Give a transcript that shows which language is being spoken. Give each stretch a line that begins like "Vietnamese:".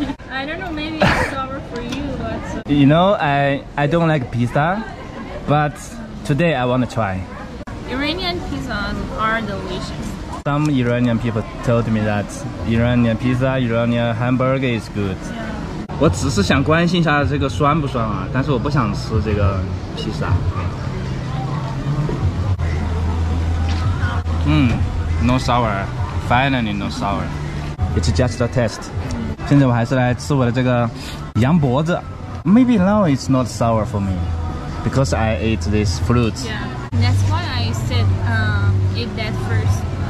English: I don't know, maybe it's sour for you, but... You know, I don't like pizza, but today I want to try. Iranian pizzas are delicious. Some Iranian people told me that Iranian pizza, Iranian hamburger is good. Yeah.
Chinese: 我只是想关心一下这个酸不酸啊，但是我不想吃这个披萨。
English: No sour. Finally, no sour. It's just a test.
Chinese: 现在我还是来吃我的这个羊脖子。
English: Maybe now it's not sour for me because I ate this fruit. Yeah, that's why I said eat that first.